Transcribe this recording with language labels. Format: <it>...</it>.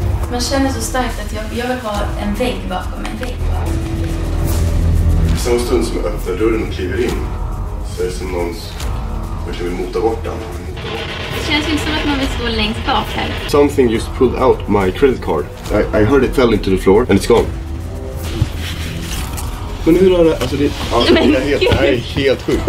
<sv>Man känner så starkt att jag vill ha en vägg bakom mig. Samma stund som jag öppnar dörren och kliver in, så är det som någon verkligen vill mota bort den. Det känns inte som att man vill stå längst bak här.</sv> <en>Something just pulled out my credit card. I heard it fell into the floor and it's gone.</en> <sv>Men hur är det? Alltså det är helt sjukt.</sv>